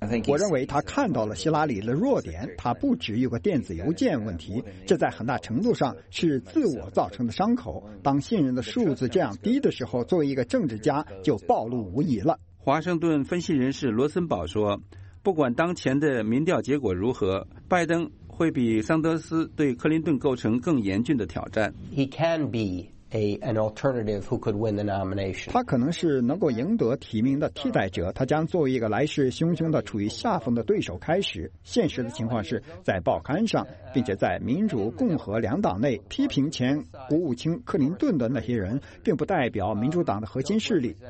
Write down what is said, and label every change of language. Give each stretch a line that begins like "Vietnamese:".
Chinese: 我认为他看到了希拉里的弱点，他不只有个电子邮件问题，这在很大程度上是自我造成的伤口。当信任的数字这样低的时候，作为一个政治家就暴露无遗了。华盛顿分析人士罗森堡说，不管当前的民调结果如何，拜登会比桑德斯对克林顿构成更严峻的挑战。
English: He can be. An alternative who could win the nomination.
Chinese: 他可能是能够赢得提名的替代者，他将作为一个来势汹汹的处于下风的对手开始。现实的情况是在报刊上，并且在民主共和两党内批评前国务卿克林顿的那些人，并不代表民主党的核心势力。